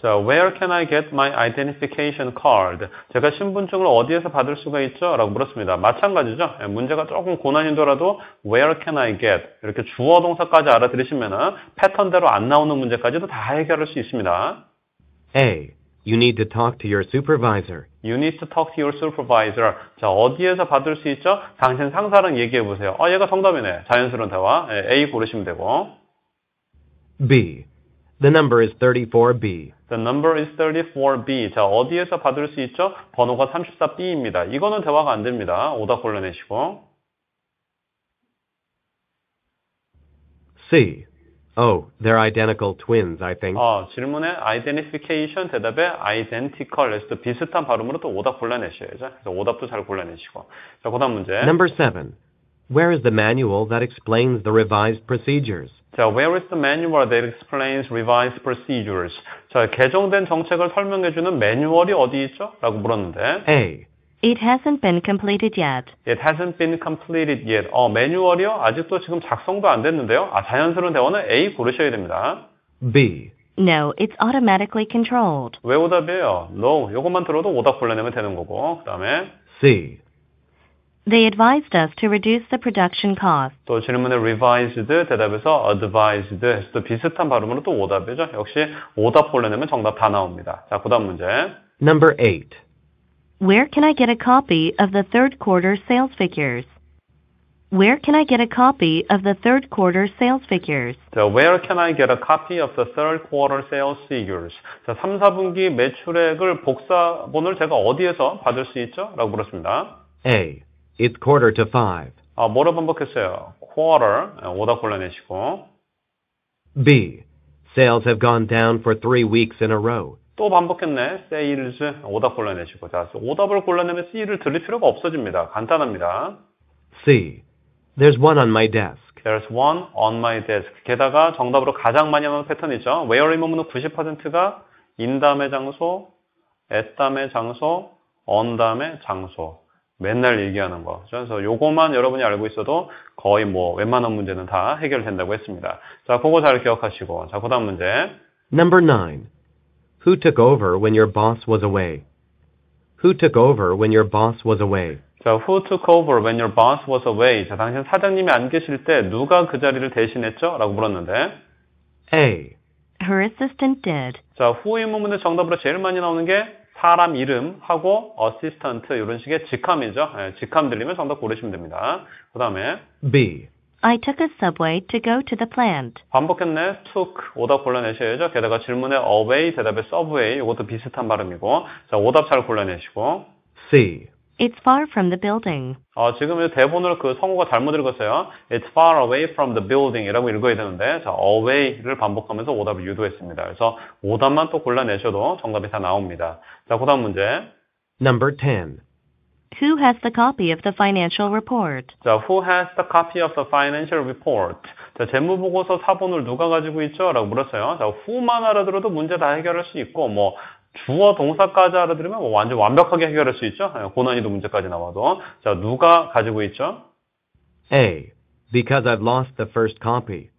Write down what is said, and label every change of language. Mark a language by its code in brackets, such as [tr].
[en] 자, where can I get my identification card? [ko] 제가 신분증을 어디에서 받을 수가 있죠? 라고 물었습니다. 마찬가지죠? 문제가 조금 고난이더라도 [en] where can I get? [ko] 이렇게 주어 동사까지 알아들으시면 패턴대로 안 나오는 문제까지도 다 해결할 수 있습니다. [en] A. You need to talk to your supervisor. You need to talk to your supervisor. [ko] 자, 어디에서 받을 수 있죠? 당신 상사랑 얘기해 보세요. 아, 얘가 정답이네. 자연스러운 대화. A 고르시면 되고. [en] B. The number is 34B. The number is 34B. [ko] 자, 어디에서 받을 수 있죠? 번호가 34B입니다. 이거는 대화가 안 됩니다. 오답 골라내시고. [en] C. Oh, they're identical twins, I think. [ko] 질문에 identification, 대답에 identical. 그래서 비슷한 발음으로 또 오답 골라내셔야죠. 그래서 오답도 잘 골라내시고. 자, 그 다음 문제. [en] Number 7. Where is the manual that explains the revised procedures? 자, where is the manual that explains revised procedures? [ko] 자, 개정된 정책을 설명해주는 매뉴얼이 어디 있죠? 라고 물었는데. [en] A. It hasn't been completed yet. It hasn't been completed yet. [ko] 매뉴얼이요? 아직도 지금 작성도 안 됐는데요? 아, 자연스러운 대화는 A 고르셔야 됩니다. [en] B. No, it's automatically controlled. [ko] 왜 오답이에요? No, 이것만 들어도 오답 골라내면 되는 거고. 그 다음에. [en] C. They advised us to reduce the production cost. [ko] 또 질문에 revised, 대답에서 advised, 또 비슷한 발음으로 또 오답이죠. 역시 오답 골라내면 정답 다 나옵니다. 자, 그 다음 문제. [en] Number 8. Where can I get a copy of the third quarter sales figures? Where can I get a copy of the third quarter sales figures? So where can I get a copy of the third quarter sales figures? [ko] 자, 3, 4분기 매출액을 복사본을 제가 어디에서 받을 수 있죠? 라고 물었습니다. [en] A. It's quarter to five. [ko] 아, 뭐라 반복했어요? Quarter. 오답 골라내시고. [en] B. Sales have gone down for 3 weeks in a row. [ko] 또 반복했네. Sales. 오답 골라내시고. 자, 오답을 골라내면 C를 들을 필요가 없어집니다. 간단합니다. [en] C. There's one on my desk. There's one on my desk. [ko] 게다가 정답으로 가장 많이 하는 패턴이죠. Where 이 부분은 90%가 in 다음에 장소, at 다음에 장소, on 다음에 장소. 맨날 얘기하는 거. 그래서 요거만 여러분이 알고 있어도 거의 뭐 웬만한 문제는 다 해결된다고 했습니다. 자, 그거 잘 기억하시고. 자, 그 다음 문제. [en] Number 9. Who took over when your boss was away? Who took over when your boss was away? 자, who took over when your boss was away? [ko] 자, 당신 사장님이 안 계실 때 누가 그 자리를 대신했죠? 라고 물었는데. [en] A. Her assistant did. [ko] 자, who의 문제 정답으로 제일 많이 나오는 게 사람 이름하고 assistant 이런 식의 직함이죠. 예, 직함 들리면 정답 고르시면 됩니다. 그 다음에 [en] B. I took a subway to go to the plant. [ko] 반복했네. took 오답 골라내셔야죠. 게다가 질문에 away 대답에 subway 이것도 비슷한 발음이고 자 오답 잘 골라내시고 [en] C. It's far from the building. [ko] 지금 대본을 그 성우가 잘못 읽었어요. [en] It's far away from the building [ko] 이라고 읽어야 되는데 자 away를 반복하면서 오답을 유도했습니다. 그래서 오답만 또 골라내셔도 정답이 다 나옵니다. 자, 그 다음 문제. [en] Number 10. Who has the copy of the financial report? 자, who has the copy of the financial report? [ko] 자, 재무보고서 사본을 누가 가지고 있죠? 라고 물었어요. 자, who만 알아들어도 문제 다 해결할 수 있고 뭐 주어 동사까지 알아들으면 뭐 완전 완벽하게 해결할 수 있죠. 고난이도 문제까지 나와도. 자, 누가 가지고 있죠? [en] A. Because I've lost the first copy.